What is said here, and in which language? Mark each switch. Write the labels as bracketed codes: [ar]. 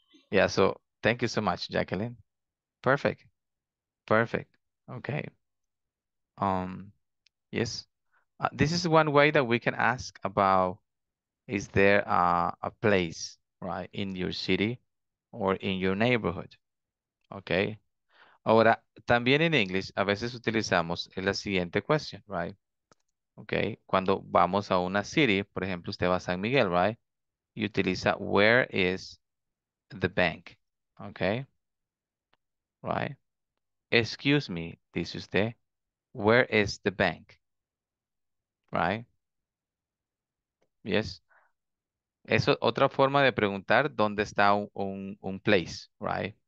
[en] Yeah, so thank you so much, Jacqueline. Perfect. Perfect. Okay. Yes. This is one way that we can ask about, is there a place, right, in your city or in your neighborhood? Okay. [es] Ahora, también en English, a veces utilizamos la siguiente question, right? Okay, cuando vamos a una city, por ejemplo, usted va a San Miguel, right? Y utiliza [en] where is the bank, okay? Right? Excuse me, [es] dice usted, [en] where is the bank, right? Yes. [es] Es otra forma de preguntar dónde está un place, right?